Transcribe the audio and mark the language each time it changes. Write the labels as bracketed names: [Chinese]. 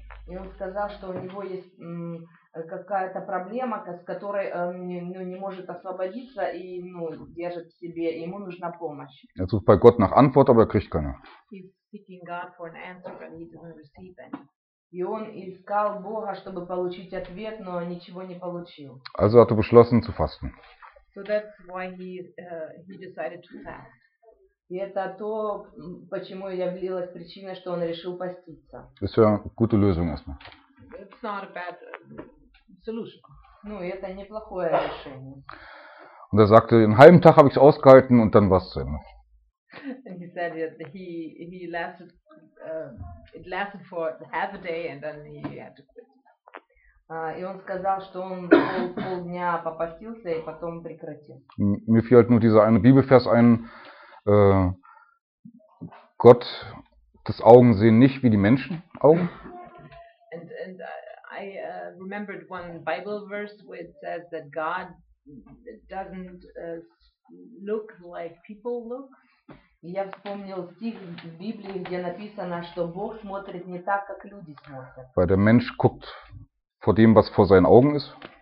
[Russian] И он сказал, что у него есть какая-то проблема, с которой не может освободиться и держит в себе, ему нужна помощь. [German] Er sucht bei Gott nach Antwort, aber kriegt keine. [English] He's seeking God for an answer, but he doesn't receive any. [Russian] И он искал Бога, чтобы получить ответ, но ничего не получил. [German] Also hat er beschlossen zu fasten. [English] So that's why he decided to fast. [Russian] И это то, почему я являлась причиной, что он решил поститься. [German] Ist ja gute Lösung erstmal. [English] It's not a bad solution. [Russian] Ну, это неплохое решение. [German] Und er sagte, einen halben Tag habe ich es ausgehalten und dann war es zu Ende. [English] And he said he lasted it lasted for half a day and then he had to quit. [Russian] И он сказал, что он полдня попастился и потом прекратил. [German] Mir fiel halt nur dieser eine Bibelvers ein. Gott, das Augen sehen nicht wie die Menschen Augen. [English] And I remembered one Bible verse where it says that God doesn't look like people look. [Russian] Я вспомнил стих в Библии, где написано, что Бог смотрит не так, как люди смотрят. [German] Weil der Mensch guckt vor dem, was vor seinen Augen ist.